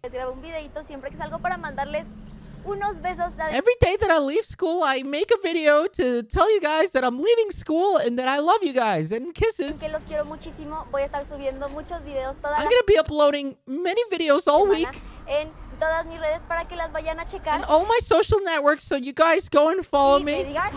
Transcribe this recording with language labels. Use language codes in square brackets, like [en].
[es] Les grabo un videito siempre que salgo para mandarles unos besos. [en] Every day that I leave school, I make a video to tell you guys that I'm leaving school and that I love you guys and kisses. [es] Que los quiero muchísimo. Voy a estar subiendo muchos videos toda la [en] I'm going to be uploading many videos all week. [es] En todas mis redes para que las vayan a checar. [en] And all my social networks, so you guys go and follow me.